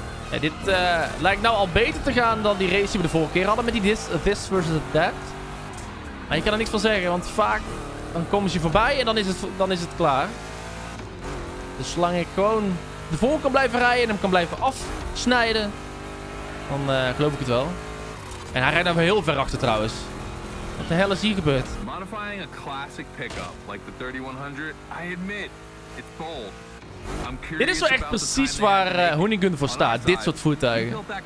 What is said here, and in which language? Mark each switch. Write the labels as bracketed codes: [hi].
[nl] Ja, dit lijkt nou al beter te gaan dan die race die we de vorige keer hadden. Met die this versus that. Maar je kan er niks van zeggen. Want vaak dan komen ze voorbij en dan is het klaar. Dus zolang ik gewoon de voorkant kan blijven rijden en hem kan blijven afsnijden. Dan geloof ik het wel. En hij rijdt daar wel heel ver achter trouwens. Wat de hel is hier gebeurd? [en] Modifying a classic pickup like the 3100, I admit, it's bold. [nl] Dit is wel echt precies waar Hoonigan voor staat. Dit soort voertuigen.